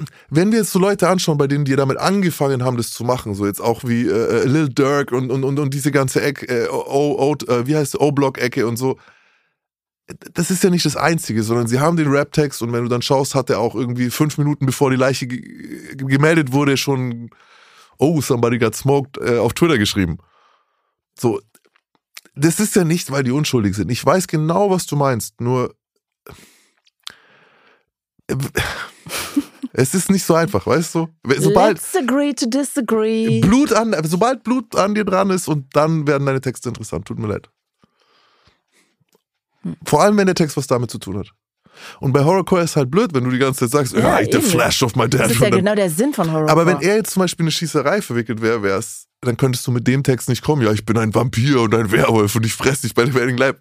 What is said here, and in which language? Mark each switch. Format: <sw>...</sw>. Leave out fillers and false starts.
<de>Wenn wir jetzt so Leute anschauen, bei denen die damit angefangen haben, das zu machen, so jetzt auch wie Lil Durk und diese ganze Ecke, wie heißt es, O-Block-Ecke und so, das ist ja nicht das Einzige, sondern sie haben den Rap-Text und wenn du dann schaust, hat er auch irgendwie 5 Minuten bevor die Leiche gemeldet wurde, schon</de> <en>"Oh, somebody got smoked"</en> <de>auf Twitter geschrieben. So, das ist ja nicht, weil die unschuldig sind. Ich weiß genau, was du meinst, nur es ist nicht so einfach, weißt du?</de> <en>Sobald Let's agree to disagree.</en> <de>Sobald Blut an dir dran ist und dann werden deine Texte interessant, tut mir leid. Vor allem, wenn der Text was damit zu tun hat. Und bei Horrorcore ist halt blöd, wenn du die ganze Zeit sagst, ja,</de> <en>the flash of my dad.</en> <de>Das ist ja genau der Sinn von Horrorcore. Aber wenn er jetzt zum Beispiel in eine Schießerei verwickelt wäre, wär's, dann könntest du mit dem Text nicht kommen. Ja, ich bin ein Vampir und ein Werwolf und ich fresse dich bei dem Wedding Leib.</de>